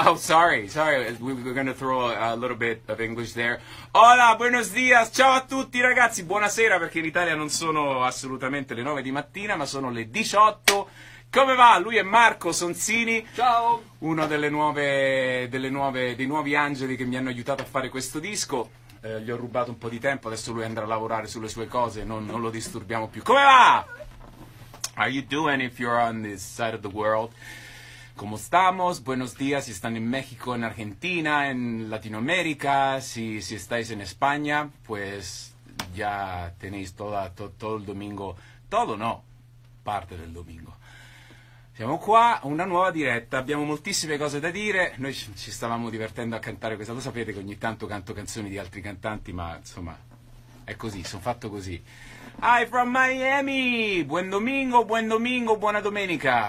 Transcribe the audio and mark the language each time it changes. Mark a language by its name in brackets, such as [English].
[English] Oh, sorry, we're gonna throw a little bit of English there. [Spanish] Hola, buenos dias! [Italian] Ciao a tutti ragazzi, buonasera, perché in Italia non sono assolutamente le 9 di mattina, ma sono le 18. Come va? Lui è Marco Sonzini. Ciao! Uno dei nuovi angeli che mi hanno aiutato a fare questo disco. Gli ho rubato un po' di tempo, adesso lui andrà a lavorare sulle sue cose, non lo disturbiamo più. Come va? [English] Are you doing if you're on this side of the world? [Spanish] Como estamos? Buenos días, si están en México, en Argentina, en Latinoamérica, si estáis en España, pues ya tenéis todo el domingo, todo no, parte del domingo. [Italian] Siamo qua, una nuova diretta, abbiamo moltissime cose da dire, noi ci stavamo divertendo a cantare questa, lo sapete che ogni tanto canto canzoni di altri cantanti, ma insomma, è così, sono fatto così. [English] Hi from Miami! [Italian] Buon domingo, buona domenica!